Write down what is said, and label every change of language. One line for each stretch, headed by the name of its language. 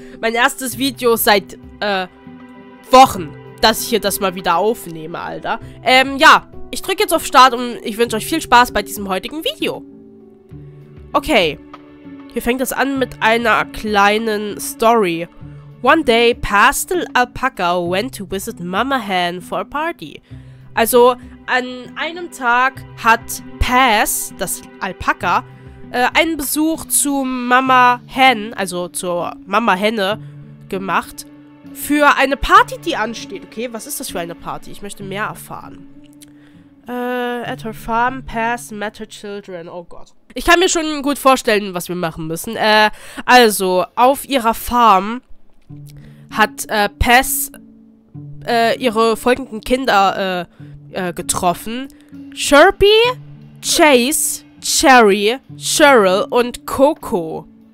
German: Mein erstes Video seit Wochen. Dass ich hier das mal wieder aufnehme, Alter. Ja, ich drücke jetzt auf Start und ich wünsche euch viel Spaß bei diesem heutigen Video. Okay, hier fängt es an mit einer kleinen Story.
English: One day, Pastel Alpaca went to visit Mama Hen for a party.
German: Also, an einem Tag hat Paz, das Alpaca, einen Besuch zu Mama Hen, also zur Mama Henne, gemacht. Für eine Party, die ansteht. Okay, was ist das für eine Party? Ich möchte mehr erfahren. At her farm, Paz met her children. Oh Gott. Ich kann mir schon gut vorstellen, was wir machen müssen. Also, auf ihrer Farm hat Paz ihre folgenden Kinder getroffen. Chirpy, Chase, Cherry, Cheryl und Coco.